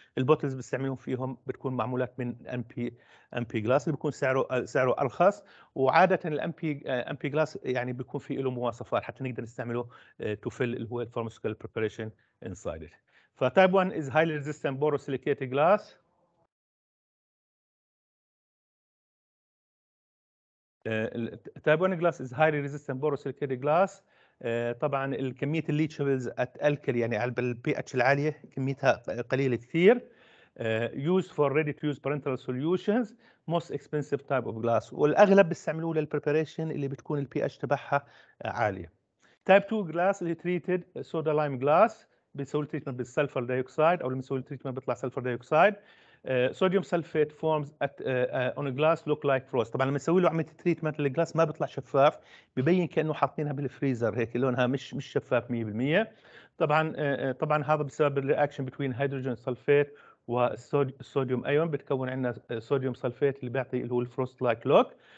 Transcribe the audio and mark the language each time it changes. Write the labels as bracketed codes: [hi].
[ar] البوتلز بيستعملون فيهم بتكون معمولات من NP glass اللي بيكون سعره أرخص. وعادة NP glass يعني بيكون فيه له مواصفات حتى نقدر نستعمله [en] to fill [ar] اللي هو [en] pharmaceutical preparation inside it. ف type 1 is highly resistant borosilicate glass. Type 1 glass is highly resistant borosilicate glass. [ar] طبعا الكمية الليتشبلز ات الكل يعني على البي اتش العالية كميتها قليلة كثير. [en] Used for ready to use parenteral solutions. Most expensive type of glass. [ar] والاغلب بيستعملوه للpreparation اللي بتكون البي اتش تبعها عالية. [en] Type 2 glass اللي treated soda lime glass. [ar] بيسوي التريتمنت بالسلفر دايوكسيد او لما يسوي التريتمنت بيطلع سلفر دايوكسيد. [en] Sodium sulfate forms on a glass look like frost. [ar] طبعا لما نسوي له عملية تريتمنت للجلاس ما بيطلع شفاف، بيبين كأنه حاطينها بالفريزر هيك لونها مش شفاف 100%. طبعا هذا بسبب الرياكشن بين هيدروجين سلفيت والصوديوم ايون بتكون عندنا صوديوم سلفيت اللي بيعطي اللي هو الفروست لايك لوك.